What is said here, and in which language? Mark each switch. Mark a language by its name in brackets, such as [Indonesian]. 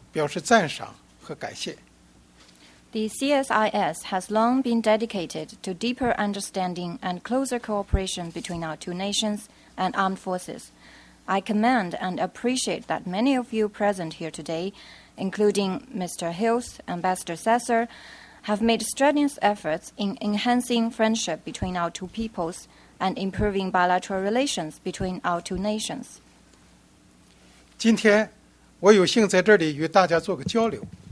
[Chinese] 贵中心积极致力于促进两国之间的了解与合作，在座的像希尔斯先生、尚木杰先生等朋友们，为增进两国人民的友谊、促进中美关系的发展，都做出了积极的贡献。我对此表示赞赏和感谢。 [English] The CSIS has long been dedicated to deeper understanding and closer cooperation between our two nations and armed forces. I commend and appreciate that many of you present here today, including Mr. Hills, Ambassador Sasser, have made strenuous efforts in enhancing friendship between our two peoples and improving bilateral relations between our two nations. [Chinese] 今天我有幸在这里与大家做个交流。